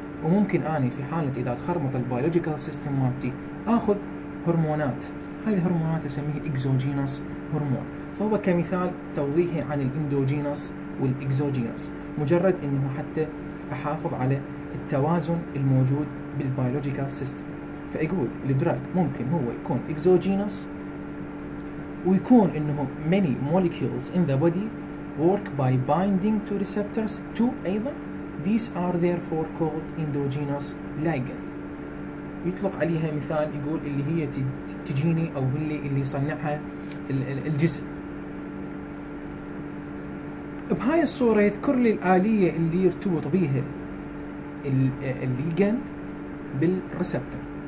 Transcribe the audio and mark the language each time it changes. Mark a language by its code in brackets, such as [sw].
[ar] وممكن أنا في حالة إذا تخرمط البيولوجيكال سيستم مالتي أخذ هرمونات، هاي الهرمونات أسميها إكزوجينوس هرمون. فهو كمثال توضيحي عن الإندوجينوس والإكزوجينوس، مجرد أنه حتى أحافظ على التوازن الموجود بالبيولوجيكال سيستم. فأقول الدراج ممكن هو يكون إكزوجينوس، ويكون إنه [en] many molecules in the body work by binding to receptors too. أيضا these are therefore called endogenous ligand. [ar] يطلق عليها مثال يقول اللي هي تجيني أو اللي صنعها الجسم. بهاي الصورة يذكر لي الآلية اللي يرتبط بيها الليجند بالريسبتر.